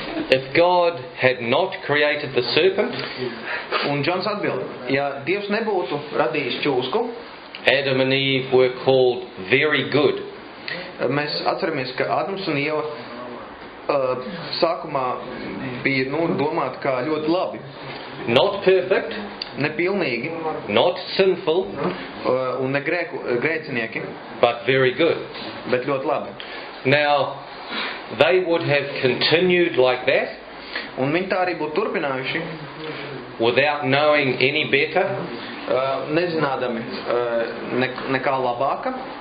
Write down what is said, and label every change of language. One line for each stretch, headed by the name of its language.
English: If God had not created the serpent,
Latvian: un Džons atbild, ja Dievs nebūtu radījis čūsku,
English: Adam and Eve were called very good.
Latvian: Mēs atceramies, ka Ādams un Ieva sākumā bija nu, domāt kā ļoti labi.
English: Not perfect.
Latvian: Nepilnīgi.
English: Not sinful.
Latvian: Un ne grēku, grēcinieki.
English: But very good.
Latvian: Bet ļoti labi.
English: Now, they would have continued like that.
Latvian: Un viņi tā arī būtu turpinājuši.
English: Without knowing any better.
Latvian: Nezinādami nekā labāka.